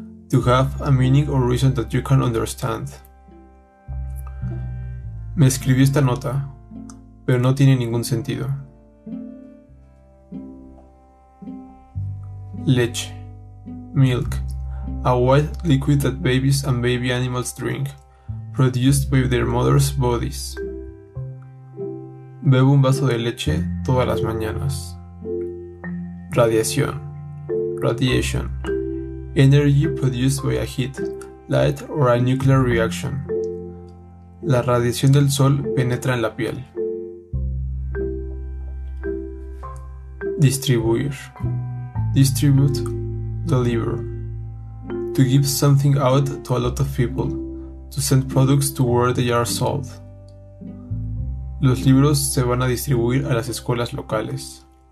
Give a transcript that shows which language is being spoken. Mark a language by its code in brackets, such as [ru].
[en] To have a meaning or reason that you can understand. [es] Me escribió esta nota, pero no tiene ningún sentido. Leche. Milk. [en] A white liquid that babies and baby animals drink, produced by their mother's bodies. [es] Bebo un vaso de leche todas las mañanas. Radiación. Radiation. [en] Energy produced by a heat, light or a nuclear reaction. [es] La radiación del sol penetra en la piel. Distribuir. Distribute. Deliver. [en] To give something out to a lot of people. To send products to where they are sold. [es] Los libros se van a distribuir a las escuelas locales.